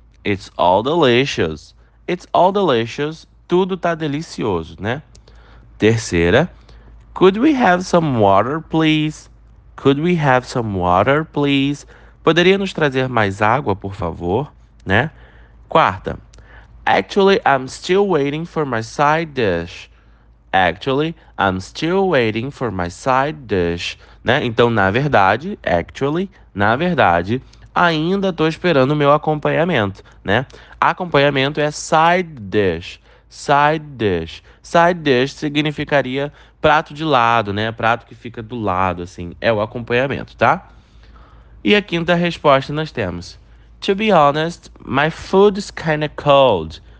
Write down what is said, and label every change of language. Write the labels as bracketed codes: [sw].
[en] It's all delicious. It's all delicious. [pt] Tudo tá delicioso, né? Terceira, [en] could we have some water, please? Could we have some water, please? [pt] Poderia nos trazer mais água, por favor, né? Quarta, [en] actually, I'm still waiting for my side dish. Actually, I'm still waiting for my side dish. Né? [pt] Então, na verdade, actually, na verdade, ainda estou esperando o meu acompanhamento. Né? Acompanhamento é side dish. Side dish. Side dish significaria prato de lado, né? Prato que fica do lado, assim. É o acompanhamento, tá? E a quinta resposta nós temos: [en] To be honest, my food's kinda cold.